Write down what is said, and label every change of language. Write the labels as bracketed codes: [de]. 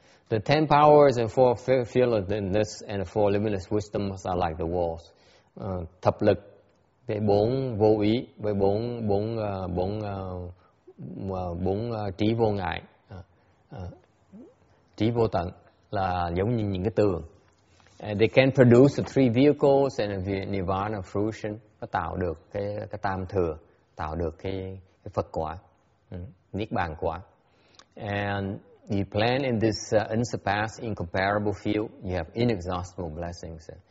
[en] The 10 powers and 4 fearlessness and 4 limitless wisdoms are like the walls. [vi] Thập lực với 4 vô ý với 4 trí vô ngại, trí vô tận là giống như những cái tường. [en] They can produce the 3 vehicles and nirvana fruition, [vi] nó tạo được cái tam thừa, tạo được cái Phật quả, niết bàn quả. [en] And you plan in this unsurpassed, incomparable field, you have inexhaustible blessings.